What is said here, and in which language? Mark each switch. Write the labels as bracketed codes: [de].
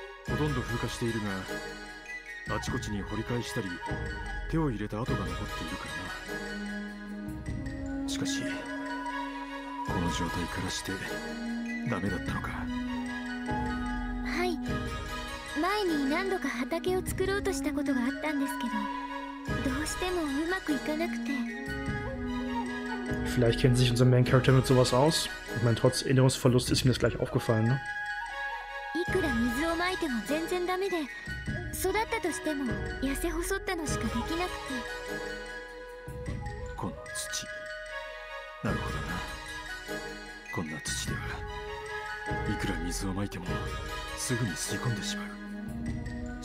[ja] ほとんど風化しているが、あちこちに掘り返したり手を入れた跡が残っているからな。しかしこの状態からしてダメだったのか。はい、前に何度か畑を作ろうとしたことがあったんですけど、どうしてもうまくいかなくて。 [de] Vielleicht kennt sich unser Main Character mit sowas aus. Ich meine, trotz Erinnerungsverlust ist mir das gleich aufgefallen, ne? [ja] いくら水をまいても全然ダメで、育ったとしても痩せ細ったのしかできなくて。この土、なるほどな。こんな土では、いくら水をまいてもすぐに吸い込んでしまう。